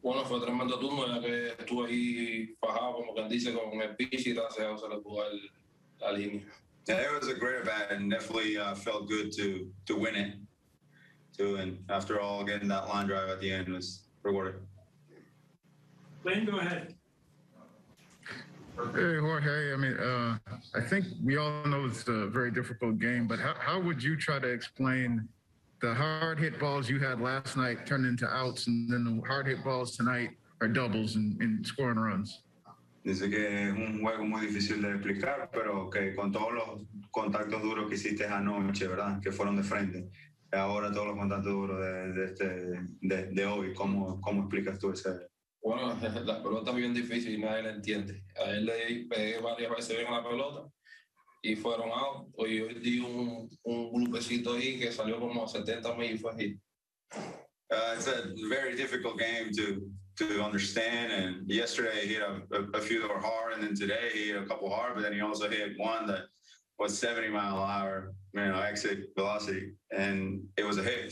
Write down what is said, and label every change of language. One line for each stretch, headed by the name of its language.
Spanish: Bueno, fue tremendo turno, ya que estuve ahí fajado, como quien dice, con el pitch y gracias, se le pudo la línea.
English: Yeah, it was a great event and definitely felt good to win it too. And after all, getting that line drive at the end was rewarding. Lane, go ahead. Hey, Jorge, I think we all know it's a very difficult game, but how would you try to explain the hard hit balls you had last night turned into outs and then the hard hit balls tonight are doubles in scoring runs?
Spanish: Dice que es un juego muy difícil de explicar, pero que con todos los contactos duros que hiciste anoche, ¿verdad? Que fueron de frente. Ahora todos los contactos duros de hoy, ¿cómo explicas tú ese? Bueno, la pelota es bien difícil y nadie la entiende. A él le pegué varias veces bien la pelota y fueron out. Hoy di un grupecito ahí que salió como 70 mil y fue hit.
English: It's a very difficult game to understand. And yesterday he hit a few that were hard, and then today he hit a couple hard, but then he also hit one that was 70 mile an hour, exit velocity, and it was a hit.